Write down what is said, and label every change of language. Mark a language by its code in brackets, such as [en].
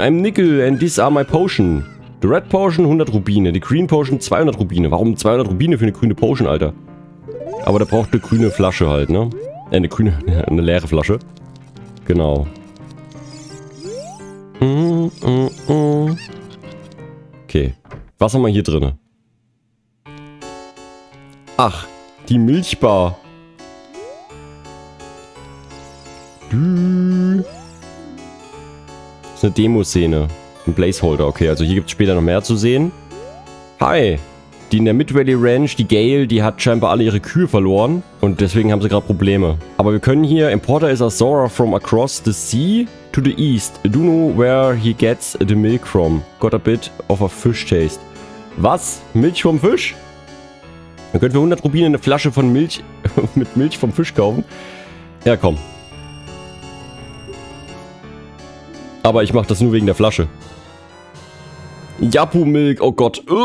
[en] I'm Nigel and these are my potion. The red potion, 100 Rubine. The green potion, 200 Rubine. [de] Warum 200 Rubine für eine grüne Potion, Alter? Aber da braucht eine grüne Flasche halt, ne? Eine grüne, eine leere Flasche. Genau. Okay. Was haben wir hier drinne? Ach, die Milchbar. Das ist eine Demo-Szene. Ein Placeholder. Okay, also hier gibt es später noch mehr zu sehen. Hi. Die in der Midvalley Ranch, die Gale, die hat scheinbar alle ihre Kühe verloren. Und deswegen haben sie gerade Probleme. Aber wir können hier... [en] Importer is Azora from across the sea to the east. Do know where he gets the milk from. Got a bit of a fish taste. [de] Was? Milch vom Fisch? Dann könnten wir 100 Rubine eine Flasche von Milch mit Milch vom Fisch kaufen. Ja, komm. Aber ich mach das nur wegen der Flasche. Yapu-Milk, oh Gott.